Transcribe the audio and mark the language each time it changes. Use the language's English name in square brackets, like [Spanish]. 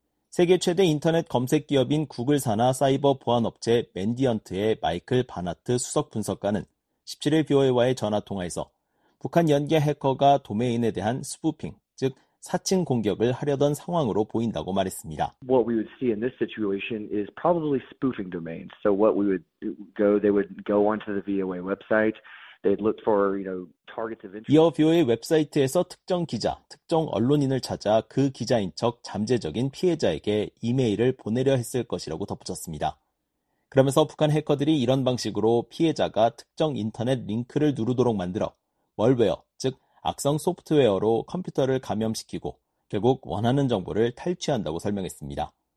[Korean] 세계 최대 인터넷 검색 기업인 구글 산하 사이버 보안 업체 맨디언트의 마이클 바나트 수석 분석가는 17일 BOE와의 전화통화에서 북한 연계 해커가 도메인에 대한 스푸핑, 즉 사칭 공격을 하려던 상황으로 보인다고 말했습니다. [English] What we would see in this situation is probably spoofing domains. So what we would go, they would go onto the VOA website. They'd look for, you know, targets of interest. [Korean] 이어 VOA 웹사이트에서 특정 기자, 특정 언론인을 찾아 그 기자인 척 잠재적인 피해자에게 이메일을 보내려 했을 것이라고 덧붙였습니다. 그러면서 북한 해커들이 이런 방식으로 피해자가 특정 인터넷 링크를 누르도록 만들어 멀웨어, 즉 악성 소프트웨어로 컴퓨터를 감염시키고 결국 원하는 정보를 탈취한다고 설명했습니다.